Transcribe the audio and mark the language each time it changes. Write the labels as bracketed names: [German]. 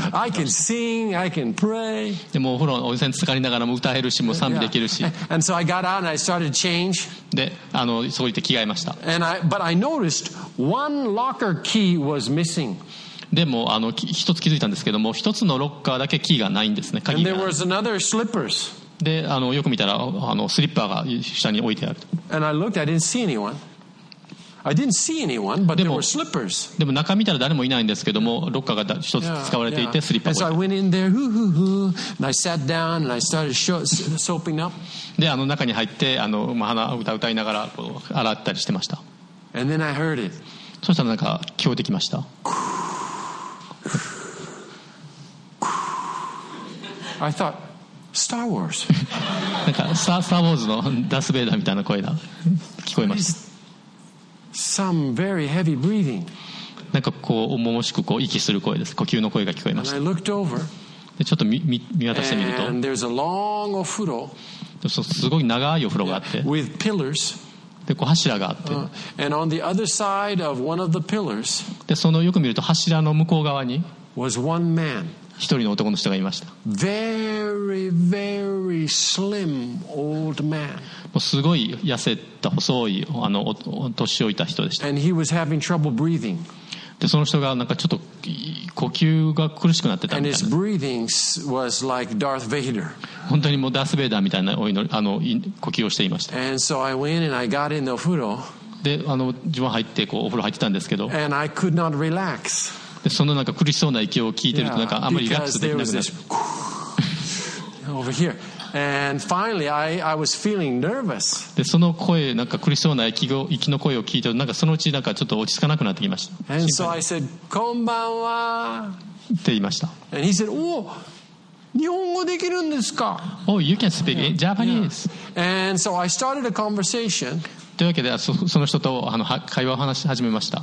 [English] Yeah, I can sing, I can pray. [Japanese] で、もうお風呂、温泉浸かりながらも歌えるし、もう賛美できるし。 [English] And so I got out and I started to change. [Japanese] で、そこ行って着替えました。 [English] And but I noticed one locker key was missing. [Japanese] でも一つ気づいたんですけども、一つのロッカーだけキーがないんですね、鍵が。 [English] And there was another slippers. [Japanese] で、よく見たらスリッパーが下に置いてある。 [English] And I looked, I didn't see anyone. I didn't see anyone, but there were slippers. [Japanese] でも中見たら誰もいないんですけども、ロッカーが一つ使われていて、スリッパーが。 [English] And so I went in there, hoo, hoo, hoo, and I sat down and I started soaping up. [Japanese] で、中に入って鼻歌歌いながら洗ったりしてました。 [English] And then I heard it. [Japanese] そしたらなんか聞こえてきました。 [English] I thought, Star Wars. [Japanese] なんかスターウォーズのダースベイダーみたいな声が聞こえました。 [English] Some very heavy breathing. [Japanese] なんかこう重々しくこう息する声です。呼吸の声が聞こえました。 [English] And I looked over. [Japanese] でちょっと見渡してみると、 [English] And there's a long お風呂。 [Japanese] すごい長いお風呂があって。 [English] With pillars. [Japanese] でこう柱があって、 [English] and on the other side of one of the pillars, [Japanese] でそのよく見ると柱の向こう側に [English] was one man, [Japanese] 一人の男の人がいました。 [English] Very, very slim old man. [Japanese] もうすごい痩せた細い年老いた人でした。 [English] and he was having trouble breathing. [Japanese] でその人がなんかちょっと呼吸が苦しくなってたみたいな。 [English] and his breathing was like Darth Vader. [Japanese] 本当にもうダースベイダーみたいな呼吸をしていました。 [English] And so I went and I got in the 風呂。 [Japanese] で、自分は入ってこうお風呂入ってたんですけど、 [English] and I could not relax. [Japanese] でそのなんか苦しそうな息を聞いてるとなんかあんまりリラックスできなくなる。 [English] Over here. And finally, I was feeling nervous. [Japanese] でその声なんか苦しそうな息の声を聞いてるとなんかそのうちなんかちょっと落ち着かなくなってきました。 [English] And so I said, こんばんは [Japanese] って言いました。 [English] And he said, oh, [Japanese] 日本語できるんですか? [English] Oh, you can speak Japanese. Yeah. And so I started a conversation. [Japanese] というわけでその人と会話を話し始めました。